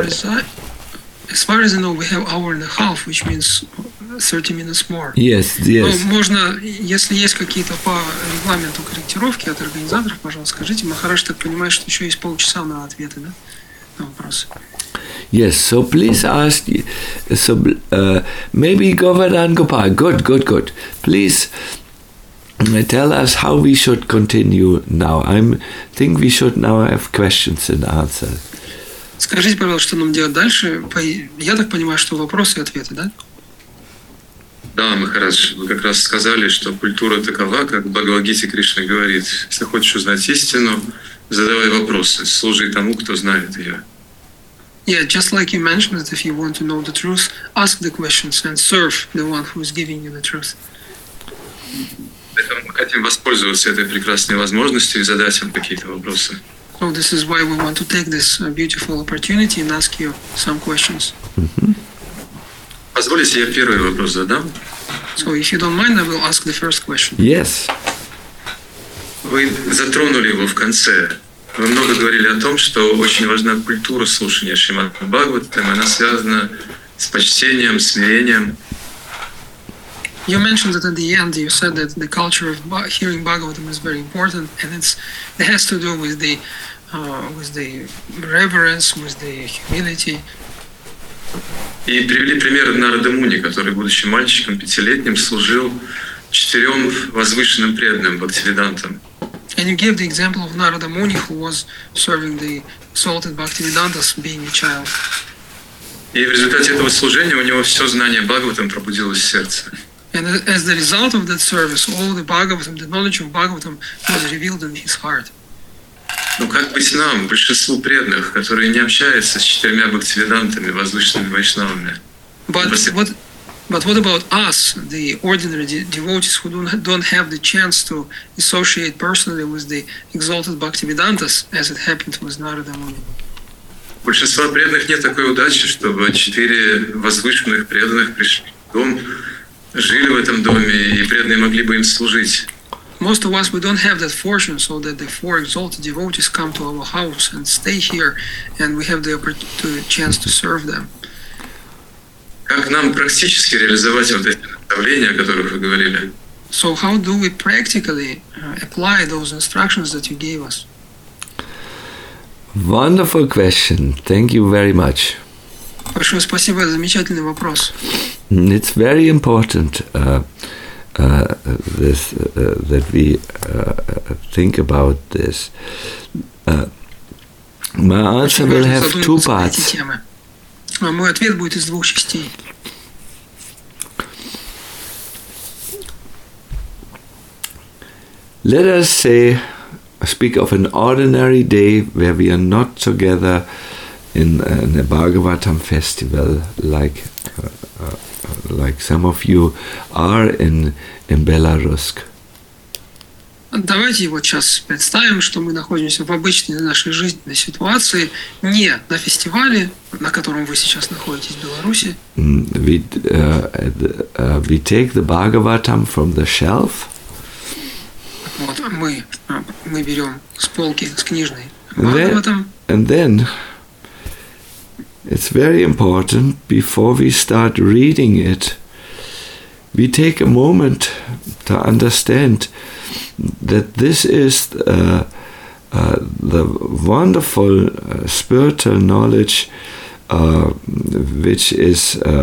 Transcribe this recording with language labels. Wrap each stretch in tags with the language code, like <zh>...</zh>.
<en>As far as I know, we have hour and a half, which means 30 minutes more. Yes, yes.</en> <ru>Но можно, если есть какие-то по регламенту корректировки от организаторов, пожалуйста, скажите. Махараш так понимает, что еще есть полчаса на ответы, да, на вопросы.</ru> <en>Yes, so please ask, so maybe Govardhan Gopal, good. Please tell us how we should continue now. I think we should now have questions and answers.</en> <ru>Скажите, пожалуйста, что нам делать дальше? Я так понимаю, что вопросы и ответы, да? Да, Махарадж, вы как раз сказали, что культура такова, как Бхагавад-гита Кришна говорит. Если хочешь узнать истину, задавай вопросы, служи тому, кто знает ее.</ru> <en>Yeah, just like you mentioned that if you want to know the truth, ask the questions and serve the one who is giving you the truth.</en> <ru>Поэтому мы хотим воспользоваться этой прекрасной возможностью и задать вам какие-то вопросы.</ru> <en>So this is why we want to take this beautiful opportunity and ask you some questions. Mm-hmm.</en> <ru>Позволите, я первый вопрос задам?</ru> <en>So if you don't mind, I will ask the first question. Yes.</en> <ru>Вы затронули его в конце. Вы много говорили о том, что очень важна культура слушания Шримад-Бхагаватам, она связана с почтением, смирением.</ru> <en>You mentioned that at the end, you said that the culture of hearing Bhagavatam is very important, and it has to do with the reverence, with the humility.</en> <ru>И привели пример Нарада Муни, который, будучи мальчиком, пятилетним, служил четырем возвышенным преданным бхактивидантам.</ru> <en>And you gave the example of Narada Muni, who was serving the exalted Bhaktivedantas, being a child.</en> <ru>И в результате этого служения у него все знание Бхагаватам пробудилось в сердце.</ru> <en>And as the result of that service, all the Bhagavatam, the knowledge of Bhagavatam, was revealed in his heart.</en> <ru>Ну как быть нам, большинству преданных, которые не общаются с четырьмя бхактивидантами, возвышенными вайшнавами?</ru> <en>But what about us, the ordinary devotees who don't have the chance to associate personally with the exalted Bhaktivedantas, as it happened with Narada Muni?</en> <ru>Большинство преданных нет такой удачи, чтобы четыре возвышенных преданных пришли в дом, жили в этом доме, и преданные могли бы им служить.</ru> <en>Most of us, we don't have that fortune, so that the four exalted devotees come to our house and stay here, and we have the chance to serve them.</en> <ru>Как нам практически реализовать вот эти наставления, о которых вы говорили?</ru> <en>So how do we practically apply those instructions that you gave us? Wonderful question. Thank you very much.</en> <ru>Большое спасибо за замечательный вопрос.</ru> <en>It's very important that we think about this. My answer will have two parts.</en> <ru>Мой ответ будет из двух частей.</ru> <en>Let us say, speak of an ordinary day where we are not together in a Bhagavatam festival, like some of you are in Belarus.</en> <ru>Давайте вот сейчас представим, что мы находимся в обычной нашей жизненной ситуации, не на фестивале, на котором вы сейчас находитесь в Беларуси.</ru> <en>We take the Bhagavatam from the shelf.</en> <ru>Вот мы берем с полки, с книжной Бхагаватам.</ru> <en>And then it's very important, before we start reading it, we take a moment to understand that this is the wonderful spiritual knowledge which is</en>